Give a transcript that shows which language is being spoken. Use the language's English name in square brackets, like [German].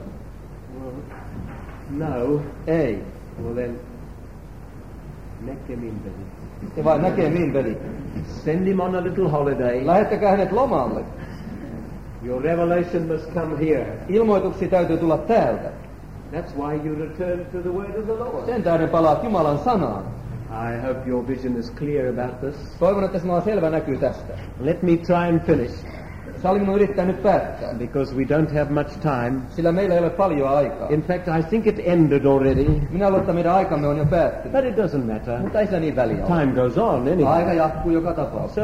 [English] Well, [Finnish] No. Ei. [English] Well then, [Finnish] näkemiin, veli. Ja vain näkemiin, veli. [English] Send him on a little holiday. [Finnish] Lähettäkää hänet lomalle. [English] Your revelation must come here. [Finnish] Ilmoituksesi täytyy tulla täältä. [English] That's why you return to the word of the Lord. [Finnish] Sen tähden palaat Jumalan sanaan. [English] I hope your vision is clear about this. [Finnish] Toivon, että sinulla on selvä näkyy tästä. [English] Let me try and finish. [Finnish] Sali minun yrittää nyt päättää. [English] Because we don't have much time. [Finnish] Sillä meillä ei ole paljon aikaa. [English] In fact, I think it ended already. [Finnish] Minä luulen, että meidän aikamme on jo päättynyt. [English] But it doesn't matter. [Finnish] Mutta ei sillä niin väliä ole. [English] Time goes on anyway. [Finnish] Aika jatkuu joka tapauksessa.